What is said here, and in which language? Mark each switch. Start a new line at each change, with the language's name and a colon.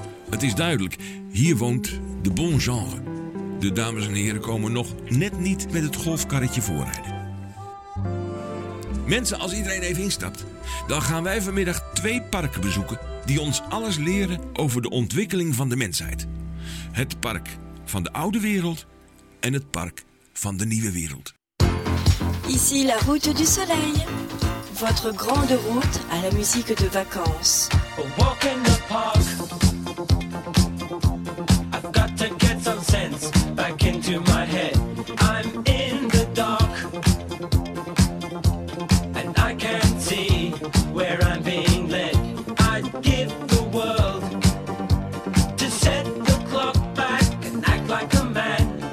Dutch: Het is duidelijk, hier woont de bon genre. De dames en heren komen nog net niet met het golfkarretje voorrijden. Mensen, als iedereen even instapt, dan gaan wij vanmiddag twee parken bezoeken die ons alles leren over de ontwikkeling van de mensheid. Het park van de oude wereld en het park van de nieuwe wereld.
French: Ici la route du soleil, votre grande route à la musique de vacances.
English: A walk in the park. I've got to get some sense back into my head. I'm in the dark and I can't see where I'm being led. I'd give the world to set the clock back and act like a man.